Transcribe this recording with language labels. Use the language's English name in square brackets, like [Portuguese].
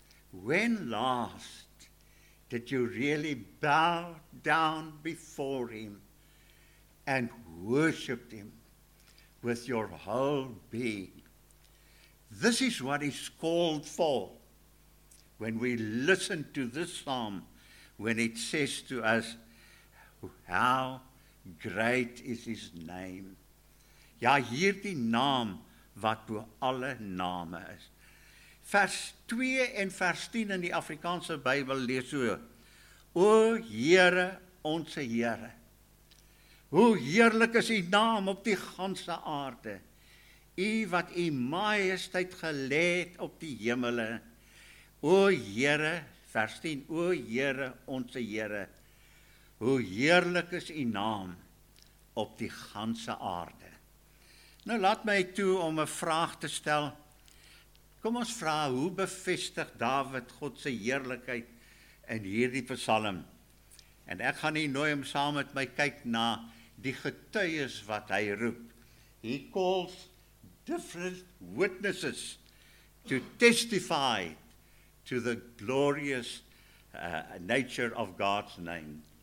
[English] When last did you really bow down before him and worship him with your whole being? This is what is called for when we listen to this psalm, when it says to us, how great is his name. [Afrikaans] Ja, hier die naam wat bo alle name is. Vers 2 en vers 10 in die Afrikaanse Bybel lees so: O Heere, onse Heere, hoe heerlik is die naam op die ganse aarde, U wat U majesteit gelê het op die hemele. O Heere, vers 10, O Heere, onse Heere, hoe heerlik is U naam op die ganse aarde. Nou laat my toe om 'n vraag te stel. Kom ons vra, hoe bevestig Dawid God se heerlikheid in hierdie psalm? En ek gaan nie nooi om saam met my kyk na die getuies wat hy roep. [English] He calls different witnesses to testify to the glorious nature of God's name.